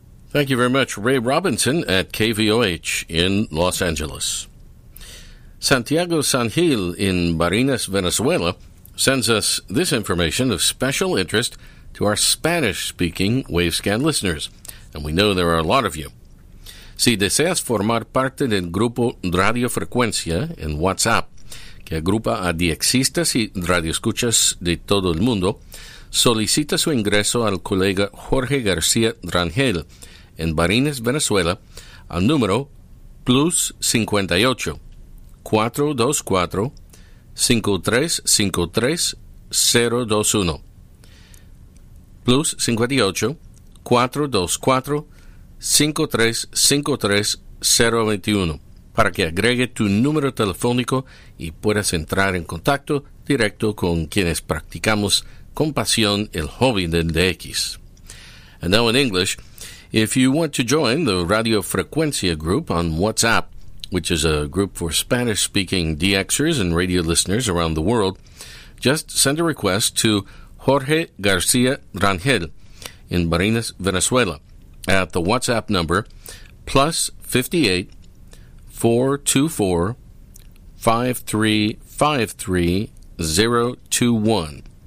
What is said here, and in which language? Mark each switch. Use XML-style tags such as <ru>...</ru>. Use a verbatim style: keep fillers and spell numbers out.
<en>Thank you very much, Ray Robinson at K V O H in Los Angeles. Santiago Sanjil in Barinas, Venezuela, sends us this information of special interest to our Spanish-speaking Wavescan listeners, and we know there are a lot of you.</en> <es>Si deseas formar parte del grupo Radio Frecuencia en WhatsApp, que agrupa a diexistas y radioescuchas de todo el mundo, solicita su ingreso al colega Jorge García Rangel, en Barinas, Venezuela, al número plus cincuenta y ocho, cuatrocientos veinticuatro, cincuenta y tres cincuenta y tres, cero veintiuno. Plus cincuenta y ocho, cuatrocientos veinticuatro, cincuenta y tres cincuenta y tres, cero veintiuno para que agregue tu número telefónico y puedas entrar en contacto directo con quienes practicamos con pasión el hobby del D X.</es> <en>And now in English, if you want to join the Radio Frecuencia group on WhatsApp, which is a group for Spanish-speaking DXers and radio listeners around the world, just send a request to Jorge García Rangel in Barinas, Venezuela, at the WhatsApp number plus fifty-eight, four two four, five three five three, zero two one.</en>